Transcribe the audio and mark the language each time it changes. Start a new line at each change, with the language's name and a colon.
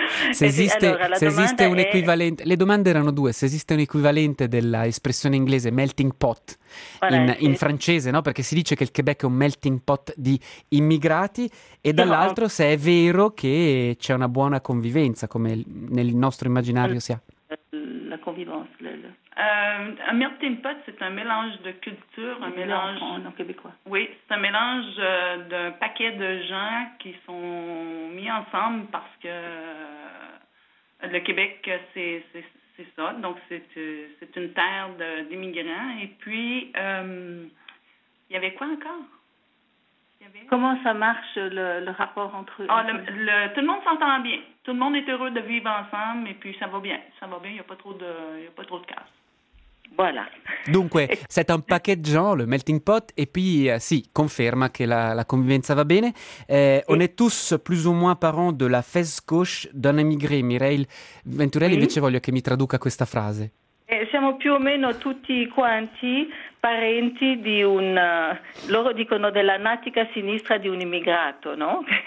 Italian: Se esiste, allora, se esiste un equivalente, le domande erano due, se esiste un equivalente dell'espressione inglese melting pot in francese, no? Perché si dice che il Quebec è un melting pot di immigrati, e dall'altro se è vero che c'è una buona convivenza, come nel nostro immaginario sia. La convivenza,
French: Un melting pot, c'est un mélange de culture, un mélange... En québécois. Oui, c'est un mélange d'un paquet de gens qui sont mis ensemble parce que le Québec, c'est ça. Donc, c'est une terre d'immigrants. Et puis, il y avait quoi encore? Comment ça marche, le rapport entre... Ah, tout le monde s'entend bien. Tout le monde est heureux de vivre ensemble et puis ça va bien. Ça va bien, il n'y a pas trop de casse. Voilà.
Italian: Dunque,
French: c'est un paquet de gens, le melting pot, et puis,
Italian: sì, conferma che la convivenza va bene.
French: On est tous plus ou moins parents de la fesse gauche d'un émigré.
Italian: Mireille Venturelli, invece voglio che mi traduca questa frase. Siamo più o meno tutti quanti parenti di un... loro dicono della natica sinistra di un immigrato, no?